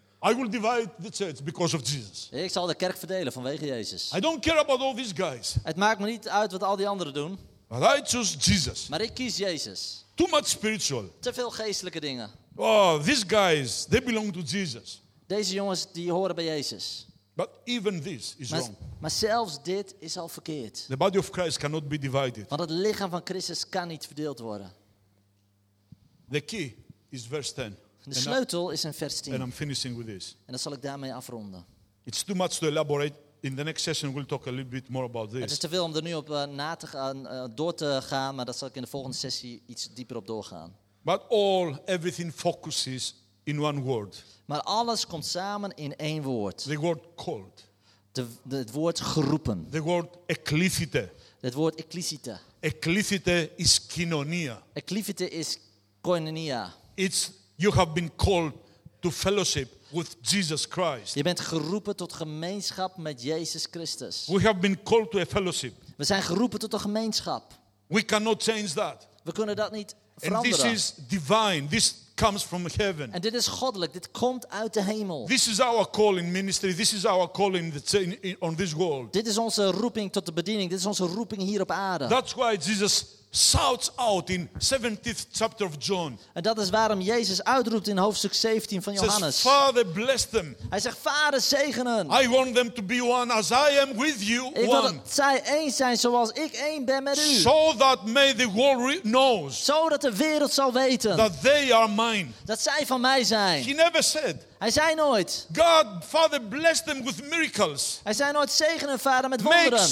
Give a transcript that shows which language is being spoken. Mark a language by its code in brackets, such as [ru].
[en] I will divide the church because of Jesus. [nl] Ik zal de kerk verdelen vanwege Jezus. [en] I don't care about all these guys. [nl] Het maakt me niet uit wat al die anderen doen. [en] But I choose Jesus. [nl] Maar ik kies Jezus. [en] Too much spiritual. [nl] Te veel geestelijke dingen. [en] Oh, these guys, they belong to Jesus. [nl] Deze jongens die horen bij Jezus. [en] But even this is [nl] maar, [en] wrong. [nl] Maar zelfs dit is al verkeerd. [en] The body of Christ cannot be divided. [nl] Want het lichaam van Christus kan niet verdeeld worden. [en] The key is verse 10. [nl] De sleutel is in vers 10. [en] And I'm finishing with this. [nl] En dat zal ik daarmee afronden. [en] It's too much to elaborate. In the next session we'll talk a little bit more about this. [nl] Het is te veel om er nu op na te gaan, door te gaan, maar dat zal ik in de volgende sessie iets dieper op doorgaan. [en] But all everything focuses in one word. [nl] Maar alles komt samen in één woord. [en] The word called. [nl] Het woord geroepen. [en] The word ecclesite. [nl] Het woord ecclesite. [en] Ecclesite is kinonia. [nl] Ecclesite is koinonia. [en] It's you have been called to fellowship with Jesus Christ. [nl] Je bent geroepen tot gemeenschap met Jezus Christus. [en] We have been called to a fellowship. [nl] We zijn geroepen tot een gemeenschap. [en] We cannot change that. [nl] We kunnen dat niet veranderen. [en] And this is divine. This comes from heaven. [nl] En dit is goddelijk. Dit komt uit de hemel. [en] This is our call in ministry. This is our call in on this world. [nl] Dit is onze roeping tot de bediening. Dit is onze roeping hier op aarde. [en] That's why Jesus shouts out in 17th chapter of John. [nl] En dat is waarom Jezus uitroept in hoofdstuk 17 van Johannes. [en] Says, Father, bless them. [nl] Hij zegt: Vader, zegen hen. [en] I want them to be one as I am with you. [nl] Ik wil [en] one. [nl] Dat zij één zijn zoals ik één ben met u. [en] So that may the world knows. [nl] Zodat de wereld zal weten. [en] That they are mine. [nl] Dat zij van mij zijn. [en] He never said. [nl] Hij zei nooit. [en] God, Father, bless them with miracles. [nl] Hij zei nooit: zegen hun vader met [en] Make [nl] wonderen.